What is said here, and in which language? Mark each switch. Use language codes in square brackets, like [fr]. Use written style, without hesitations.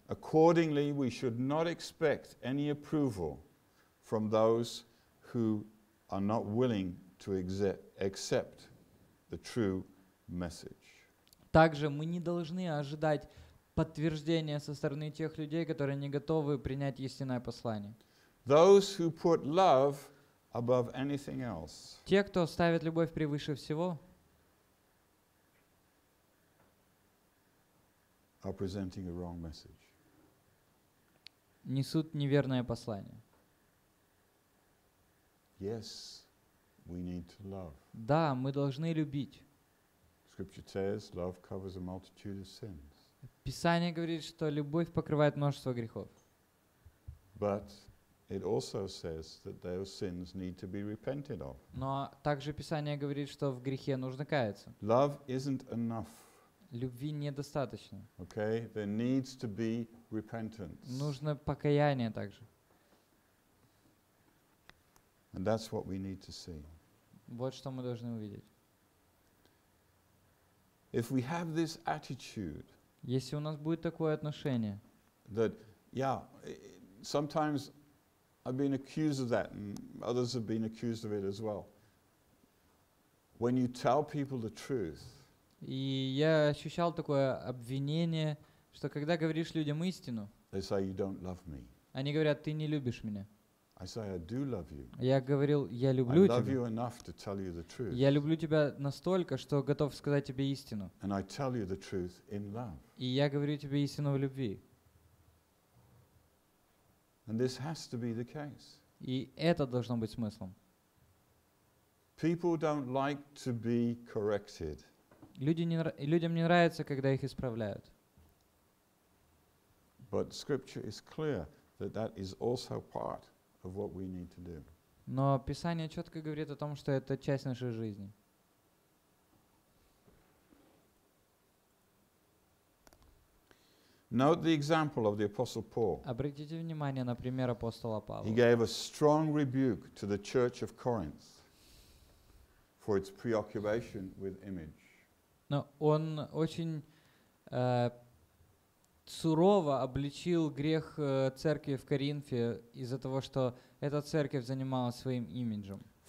[en] Accordingly, we should not expect any approval from those who are not willing to accept the true message. [ru] Также мы не должны ожидать подтверждения со стороны тех людей, которые не готовы принять истинное послание. [en] Those who put love above anything else. [ru] Те, кто ставит любовь превыше всего, [en] are presenting a wrong message. [ru] Несут неверное послание. [en] Yes, we need to love. [ru] Да, мы должны любить. [en] Scripture says love covers a multitude of sins. [ru] Писание говорит, что любовь покрывает множество грехов. [en] But it also says that those sins need to be repented of. [ru] Но также Писание говорит, что в грехе нужно каяться. [en] Love isn't enough. [ru] Любви недостаточно. [en] Okay, there needs to be repentance. [ru] Нужно покаяние также. [en] And that's what we need to see. [ru] Вот что мы должны увидеть. [en] If we have this attitude, [ru] если у нас будет такое отношение, [en] that, yeah, sometimes I've been accused of that, and others have been accused of it as well. When you tell people the truth. [ru] И я ощущал такое обвинение, что когда говоришь людям истину, [en] they say you don't love me. [ru] Они говорят, ты не любишь меня. [en] I say, I do love you. [ru] Я говорил, я люблю [en] I love [ru] тебя. [en] You enough to tell you the truth. [ru] Я люблю тебя настолько, что готов сказать тебе истину. [en] And I tell you the truth in love. [ru] И я говорю тебе истину в любви. [en] And this has to be the case. [ru] И это должно быть смыслом. [en] People don't like to be corrected. [ru] Людям не нравится, когда их исправляют. [en] But scripture is clear that that is also part of what we need to do. [ru] Но Писание четко говорит о том, что это часть нашей жизни. [en] Note the example of the apostle Paul. [ru] Обратите внимание на пример апостола Павла. [en] He gave a strong rebuke to the church of Corinth for its preoccupation with image. [ru] Но он очень сурово обличил грех церкви в Коринфе из-за того, что эта церковь занималась своим имиджем.